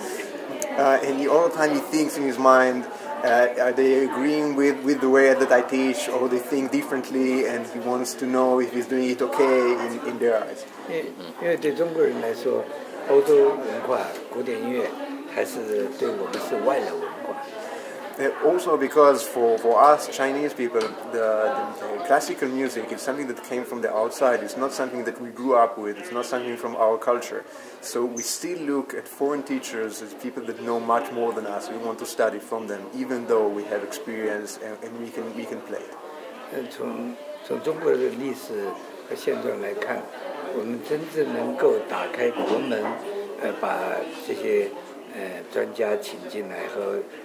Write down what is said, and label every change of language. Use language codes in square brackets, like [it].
[en] And all the time he thinks in his mind, are they agreeing with the way that I teach, or they think differently, and he wants to know if he's doing it okay in their eyes. [zh] 因为对中国人来说，欧洲文化、古典音乐还是对我们是外来文化。Also [en] because for us Chinese people, the classical music is something that came from the outside. It's not something that we grew up with. It's not something from our culture. So we still look at foreign teachers as people that know much more than us. We want to study from them, even though we have experience and we can play it. [zh] 从中国的历史和现状来看，我们真正能够打开国门，把这些专家请进来和。